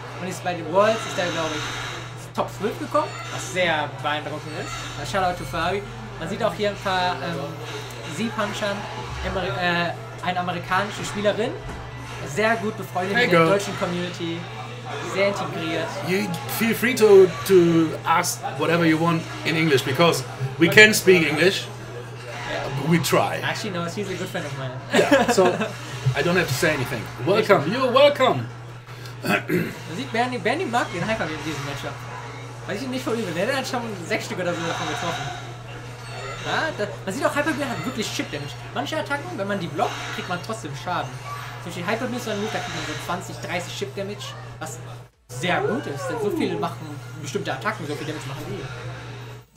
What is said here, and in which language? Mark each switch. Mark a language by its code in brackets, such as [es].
[de] Und ist bei den Worlds, ist er, glaube ich, Top 12 gekommen, was sehr beeindruckend ist. [en] Shoutout to Fabi. [de] Man sieht auch hier ein paar Z-Punchern, eine amerikanische Spielerin, sehr gut befreundet mit der deutschen Community, sehr integriert. [en] You feel free to ask whatever you want in English, because we can speak English, yeah. We try. Actually, no, she's a good friend of mine. Yeah, so I don't have to say anything. Welcome, you're welcome. [de] Man sieht, Bernie mag den Hyper in diesem Matchup. Weiß ich nicht von übel, der hat schon 6 Stück oder so davon getroffen. Ja, man sieht auch, Hyper Beam hat wirklich Chip Damage. Manche Attacken, wenn man die blockt, kriegt man trotzdem Schaden. Zum Beispiel Hyper Beam ist so ein Move, da kriegt man so 20, 30 Chip Damage, was sehr gut ist, denn so viele machen bestimmte Attacken, so viel Damage machen die.